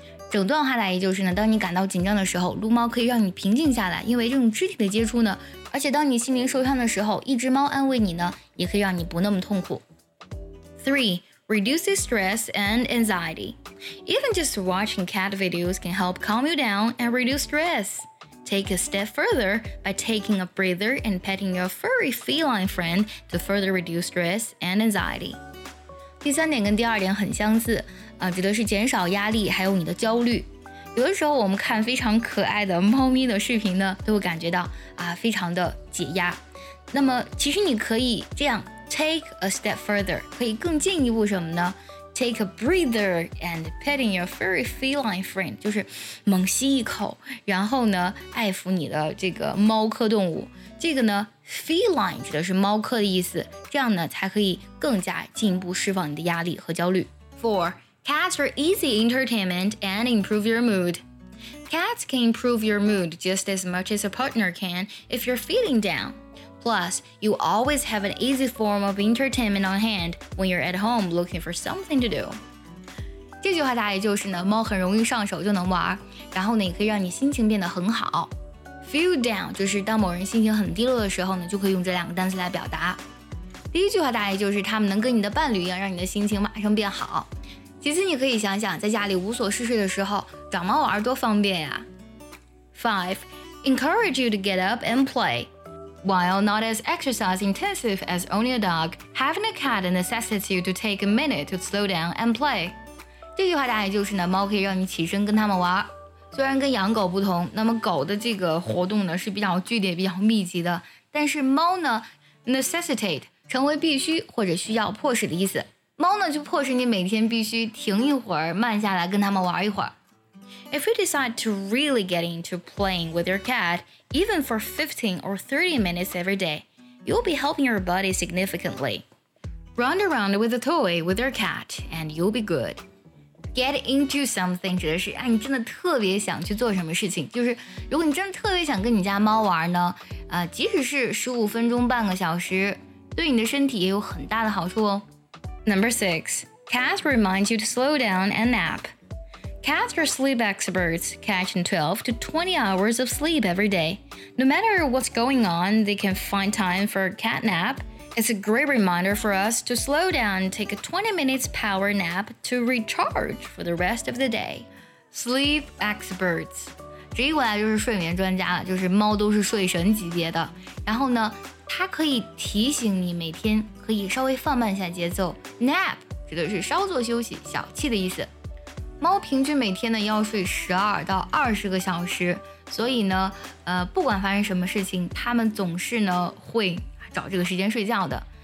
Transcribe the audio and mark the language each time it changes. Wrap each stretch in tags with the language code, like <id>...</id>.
<zh>整段话大意就是呢当你感到紧张的时候撸猫可以让你平静下来因为这种肢体的接触呢而且当你心灵受伤的时候一只猫安慰你呢也可以让你不那么痛苦 3.</zh> <en>Reduces stress and anxiety Even just watching cat videos can help calm you down and reduce stressTake a step further by taking a breather and petting your furry feline friend to further reduce stress and anxiety.</en> <zh>第三点跟第二点很相似、指的是减少压力还有你的焦虑。有的时候我们看非常可爱的猫咪的视频呢都会感觉到、非常的解压。那么其实你可以这样</zh> <en>take a step further,</en> <zh>可以更进一步什么呢</zh> <en>Take a breather and petting your furry feline friend</en> <zh>就是猛吸一口然后呢爱抚你的这个猫科动物这个呢 feline 指的是猫科的意思这样呢才可以更加进一步释放你的压力和焦虑 4.</zh> <en>Cats are easy entertainment and improve your mood Cats can improve your mood just as much as a partner can if you're feeling downPlus, you always have an easy form of entertainment on hand when you're at home looking for something to do.</en> <zh>这句话大意就是呢，猫很容易上手就能玩，然后呢，也可以让你心情变得很好。 Feel down 就是当某人心情很低落的时候呢，就可以用这两个单词来表达。第一句话大意就是他们能跟你的伴侣一样，让你的心情马上变好。其次，你可以想想，在家里无所事事的时候，找猫玩多方便呀。</zh> <en>5. Encourage you to get up and play. While not as exercise intensive as owning a dog, having a cat necessitates you to take a minute to slow down and play.</en> <zh>这句话大意就是呢，猫可以让你起身跟它们玩。虽然跟养狗不同，那么狗的这个活动呢是比较剧烈、比较密集的，但是猫呢 necessitate 成为必须或者需要、迫使的意思。猫呢就迫使你每天必须停一会儿，慢下来跟它们玩一会儿。</zh> <en>If you decide to really get into playing with your cat, even for 15 or 30 minutes every day, you'll be helping your body significantly. Run around with a toy with your cat, and you'll be good.</en> <zh>Get into something 指的是、你真的特别想去做什么事情。就是如果你真的特别想跟你家猫玩呢、即使是15分钟半个小时对你的身体也有很大的好处哦。Number 6.</zh> <en>Cats remind you to slow down and nap. Cats are sleep experts, catching 12 to 20 hours of sleep every day. No matter what's going on, they can find time for a cat nap. It's a great reminder for us to slow down and take a 20-minute power nap to recharge for the rest of the day. Sleep experts.</en> <zh>直译过来就是睡眠专家了，就是猫都是睡神级别的。然后呢，它可以提醒你每天可以稍微放慢下节奏。 Nap 指的是稍作休息、小憩的意思。猫平均每天呢要睡12到20个小时，所以呢，不管发生什么事情，它们总是呢会找这个时间睡觉的。</zh>